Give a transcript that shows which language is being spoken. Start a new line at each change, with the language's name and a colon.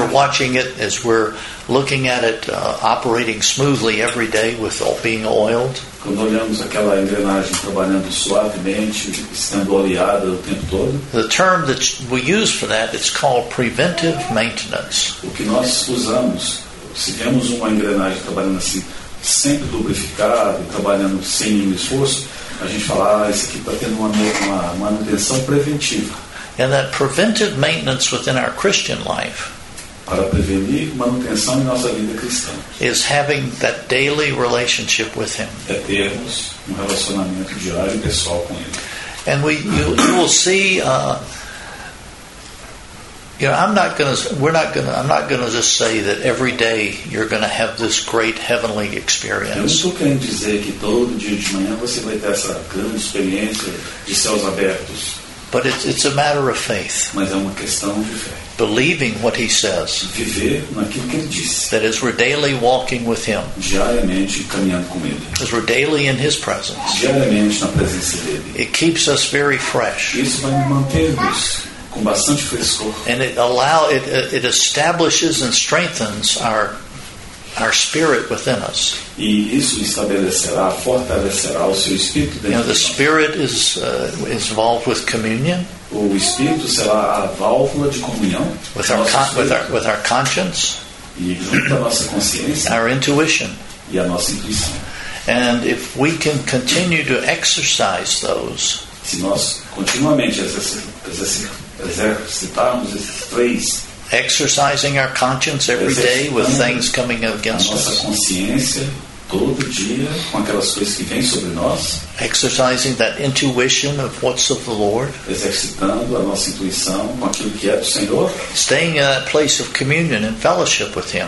English: we're watching it, as we're looking at it operating smoothly every day with all being oiled,
Portuguese: quando olhamos aquela engrenagem trabalhando suavemente, estando oleada o tempo todo,
English: the term that we use for that, it's called preventive maintenance.
Portuguese: O que nós usamos, se temos uma engrenagem trabalhando assim, sempre lubrificada, trabalhando sem nenhum esforço, a gente fala, ah, esse aqui está tendo uma manutenção preventiva.
English: And that preventive maintenance within our Christian life,
Portuguese: para prevenir manutenção em nossa vida cristã,
English: is having that daily relationship with Him.
Portuguese: É termos um relacionamento diário pessoal com Ele.
English: And you will see, I'm not gonna just say that every day you're gonna have this great heavenly experience.
Portuguese: Eu não estou querendo dizer que todo dia de manhã você vai ter essa grande experiência de céus abertos.
English: But it's a matter of faith.
Portuguese: Mas é uma questão de fé.
English: Believing what He says.
Portuguese: Viver naquilo que Ele disse.
English: That as we're daily walking with Him.
Portuguese: Diariamente caminhando com Ele.
English: As we're daily in His presence.
Portuguese: Diariamente na presença dEle.
English: It keeps us very fresh.
Portuguese: Isso vai manter-nos com bastante frescor.
English: And it establishes and strengthens our spirit within us.
Portuguese: E isso estabelecerá, fortalecerá o seu espírito dentro.
English: The spirit is involved with communion.
Portuguese: O espírito será a válvula de comunhão.
English: With our conscience.
Portuguese: E junto à nossa consciência.
English: Our intuition.
Portuguese: E a nossa intuição.
English: And if we can continue to exercise those.
Portuguese: Se nós continuamente exercitarmos esses três.
English: Exercising our conscience every day with things coming against us.
Portuguese: A nossa consciência todo dia com aquelas coisas que vêm sobre nós.
English: Exercising that intuition of what's of the Lord.
Portuguese: Exercitando a nossa intuição com aquilo que é do Senhor.
English: Staying in that place of communion and fellowship with Him.